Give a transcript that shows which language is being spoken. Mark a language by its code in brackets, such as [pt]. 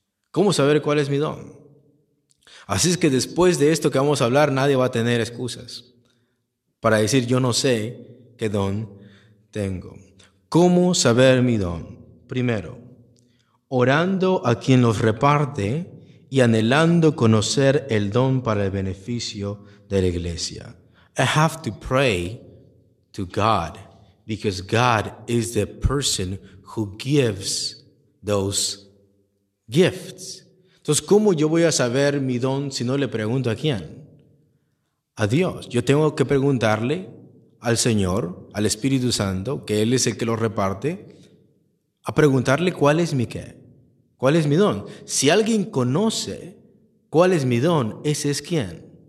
[es] ¿Cómo saber cuál es mi don? Así es que después de esto que vamos a hablar, nadie va a tener excusas para decir yo no sé qué don tengo. ¿Cómo saber mi don? Primero, orando a quien los reparte y anhelando conocer el don para el beneficio de la iglesia. [en] I have to pray to God because God is the person who gives those gifts. [es] Entonces, ¿cómo yo voy a saber mi don si no le pregunto a quién? A Dios. Yo tengo que preguntarle al Señor, al Espíritu Santo, que Él es el que lo reparte, a preguntarle cuál es mi qué, cuál es mi don. Si alguien conoce cuál es mi don, ese es quién.